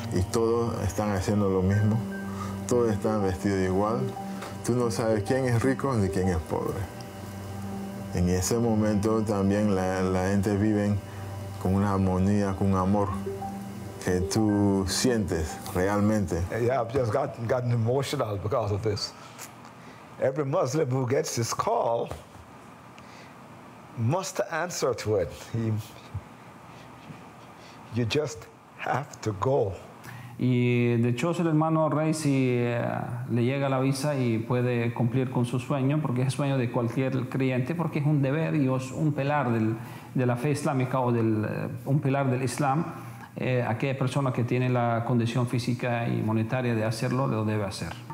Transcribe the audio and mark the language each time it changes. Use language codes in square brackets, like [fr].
[es] Y todos están haciendo lo mismo, todos están vestidos igual. Tú no sabes quién es rico ni quién es pobre. En ese momento también la gente vive con una armonía, con un amor que tú sientes realmente. [en] Yeah, I've just gotten emotional because of this. Every Muslim who gets this call must answer to it. You just have to go. [es] Y de hecho, el hermano Rey, si le llega la visa y puede cumplir con su sueño, porque es sueño de cualquier creyente, porque es un deber y es un pilar de la fe islámica o un pilar del Islam, aquella persona que tiene la condición física y monetaria de hacerlo, lo debe hacer.